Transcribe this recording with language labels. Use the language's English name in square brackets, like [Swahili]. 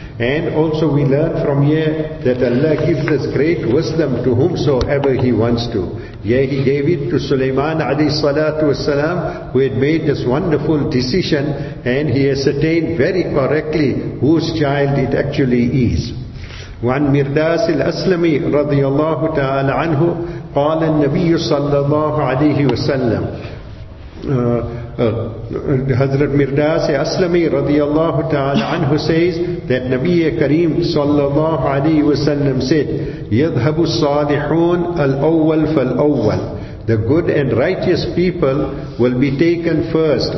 [English] And also we learn from here that Allah gives us great wisdom to whomsoever He wants to. Yea, He gave it to Sulaiman alayhi salatu wasalam, who had made this wonderful decision, and he ascertained very correctly whose child it actually is. [Arabic] وعن مرداس الأسلمي رضي الله تعالى عنه قال النبي صلى الله عليه وسلم [English] Hazrat Mirdas Aslami radiyallahu ta'ala anhu says that Nabiya Kareem sallallahu alayhi wa sallam said, [Arabic] يَذْهَبُ الصَّالِحُونَ الْأَوَّلْ فَالْأَوَّلْ. [English] The good and righteous people will be taken first.